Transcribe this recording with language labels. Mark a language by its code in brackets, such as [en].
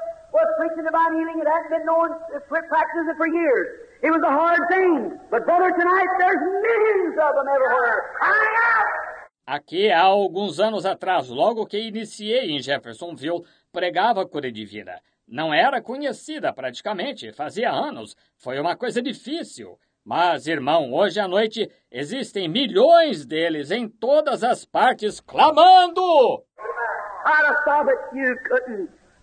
[en] Was preaching divine healing, it hadn't been known, practicing it for years. It was a hard thing. But brother, tonight there's millions of them everywhere. Crying out! [pt] Aqui, há alguns anos atrás, logo que iniciei em Jeffersonville, pregava cura divina. Não era conhecida praticamente, fazia anos. Foi uma coisa difícil. Mas, irmão, hoje à noite, existem milhões deles em todas as partes, clamando! [en] How to stop it, you couldn't.